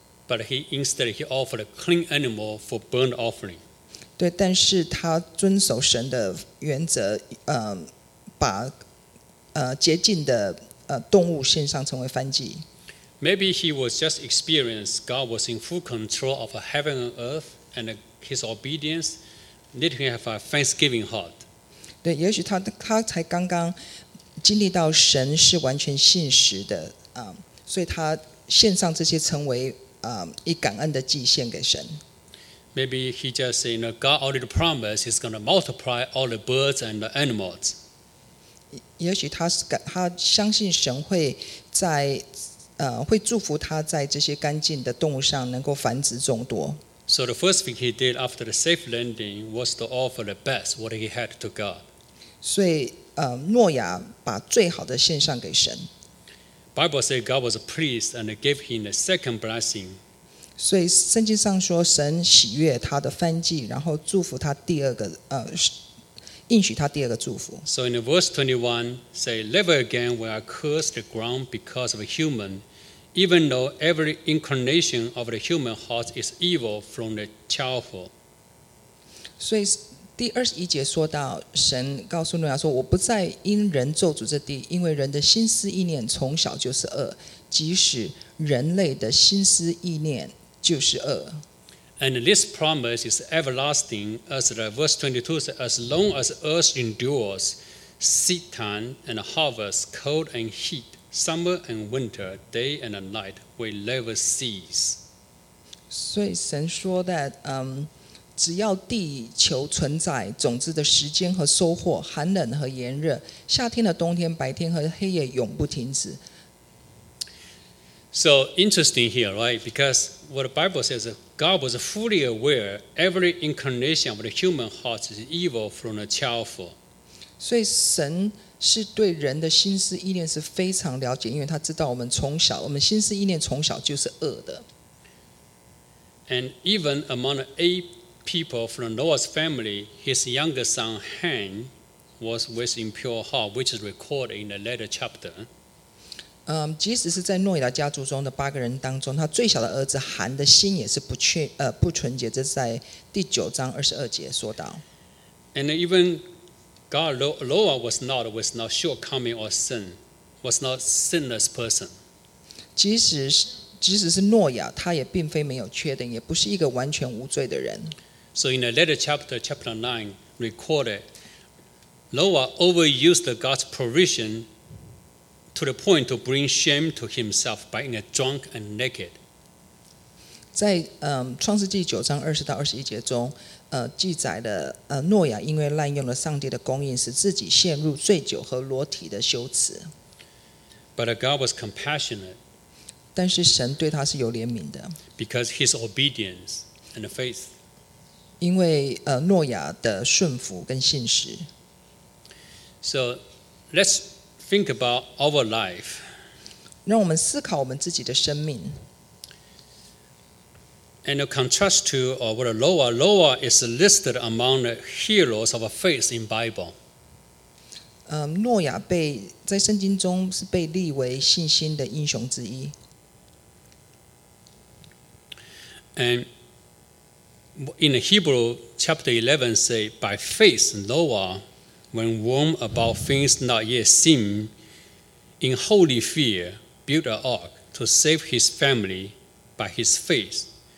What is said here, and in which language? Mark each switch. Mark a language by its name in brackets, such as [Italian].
[English] But he offered a clean animal for burnt offering. [Chinese] 对，但是他遵守神的原则，把洁净的动物献上成为燔祭。 [English] Maybe he was just experienced God was in full control of heaven and earth, and his obedience. Need to have a thanksgiving heart. [Chinese] 对，也许他才刚刚经历到神是完全信实的，所以他献上这些成为一感恩的祭献给神。 [English] Maybe he just said, you know, God already promised he's going to multiply all the birds and the animals. [Chinese] 也许他相信神会在会祝福他在这些干净的动物上能够繁殖众多。 [English] So the first thing he did after the safe landing was to offer the best what he had to God. [Chinese] 所以，诺亚把最好的献上给神。 [English] Bible says God was pleased and gave him the second blessing. [Chinese] 所以圣经上说神喜悦他的燔祭，然后祝福他第二个应许他第二个祝福。 [English] So in verse 21, say, "Never again will I curse the ground because of a human." Even though every inclination of the human heart is evil from the childhood. [Chinese] 所以第二十一节说到，神告诉诺亚说：“我不再因人咒诅这地，因为人的心思意念从小就是恶，即使人类的心思意念就是恶。” [English] And this promise is everlasting, as the verse 22 says, as long as earth endures, seed time and harvest, cold and heat. Summer and winter, day and night, will never cease. [Chinese] 所以神说 [English] that, [Chinese] 只要地球存在，种子的时间和收获，寒冷和炎热，夏天和冬天，白天和黑夜，永不停止。 [English] So interesting here, right? Because what the Bible says, God was fully aware every inclination of the human heart is evil from the childhood. [Chinese] 所以神是对人的心思意念是非常了解，因为他知道我们心思意念从小就是恶的。 [English] And even among the eight people from Noah's family, his younger son Ham was with impure heart, which is recorded in the later chapter. [Chinese] 即使是在诺亚家族中的八个人当中，他最小的儿子韩的心也是不纯洁，这是在第九章二十二节说到。 [English] And evenGod, Noah was not shortcoming or sin, was not sinless person. [Chinese] 即使是诺亚，他也并非没有缺点，也不是一个完全无罪的人。 [English] So in the later chapter, chapter 9, recorded, Noah overused God's provision to the point to bring shame to himself by being drunk and naked. [Chinese] 在创世纪九章二十到二十一节中，记载了诺亚因为滥用了上帝的供应，使自己陷入醉酒和裸体的羞耻。 [English] But God was compassionate. [Chinese] 但是神对他是有怜悯的。 [English] Because his obedience and faith. [Chinese] 因为诺亚的顺服跟信实。 [English] So let's think about our life. [Chinese] 让我们思考我们自己的生命。 [English] And in contrast to what Noah, Noah is listed among the heroes of faith in Bible. [Chinese] 诺亚被在圣经中是被立为信心的英雄之一。 [English] And in Hebrew chapter 11 say, by faith Noah, when warned about things not yet seen, in holy fear built an ark to save his family by his faith.